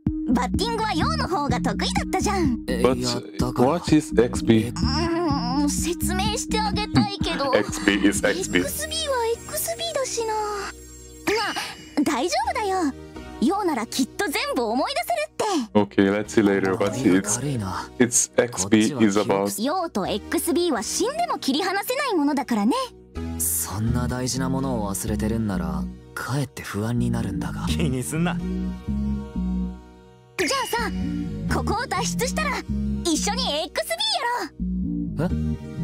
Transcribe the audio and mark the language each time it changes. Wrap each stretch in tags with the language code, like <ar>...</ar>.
<ja>バッティングはヨウの方が得意だったじゃん。</ja> <en>But what is XB?</en> <ja>説明してあげたいけど。</ja> <en>XB is XB.</en> <ja>XBはXBだしな。大丈夫だよ。ヨウならきっと全部思い出せるって。</ja> <en>Okay, let's see later what it's XB is about.</en> <ja>ヨウとXBは死んでも切り離せないものだからね。そんな大事なものを忘れてるんなら、かえって不安になるんだが。気にすんな。じゃあさ、 ここを脱出したら、一緒にXBやろう。</ja>